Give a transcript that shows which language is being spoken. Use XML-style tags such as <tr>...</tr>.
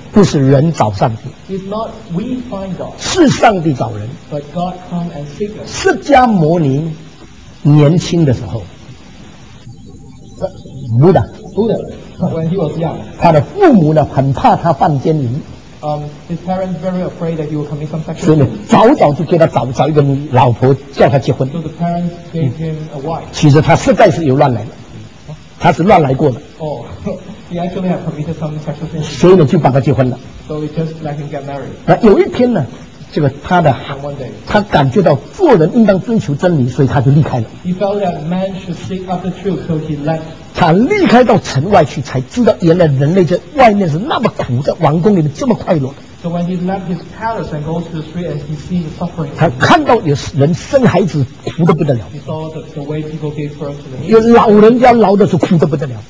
<zh>不是人找上帝。</zh> <en>It's not we find God.</en> <zh>是上帝找人。</zh> <en>But God come and seek us.</en> <zh>释迦牟尼年轻的时候，Buddha,</zh> <en>when he was young,</en> <zh>他的父母呢很怕他犯奸淫。</zh> <en>His parents very afraid that he will commit some sexual.</en> <zh>所以呢，早早就给他找一个老婆叫他结婚。</zh> <en>So the parents gave him a wife.</en> <zh>其实他实在是有乱来的，他是乱来过的。</zh> <en>He actually had committed some sexual sins.</en> <zh>所以呢，就把他结婚了。</zh> <en>So he just let him get married.</en> <zh>那有一天呢，这个他的</zh> <en>one day,</en> <zh>他感觉到做人应当追求真理，所以他就离开了。</zh> <en>He felt that man should seek after truth, so he left.</en> <zh>他离开到城外去，才知道原来人类在外面是那么苦，在王宫里面这么快乐的。</zh> <en>So when he left his palace and goes to the street, and he sees the suffering,</en> <zh>他看到有人生孩子苦得不得了。</zh> <en>He saw the way people gave birth to them.</en> <zh>有老人家老的是苦得不得了。</zh>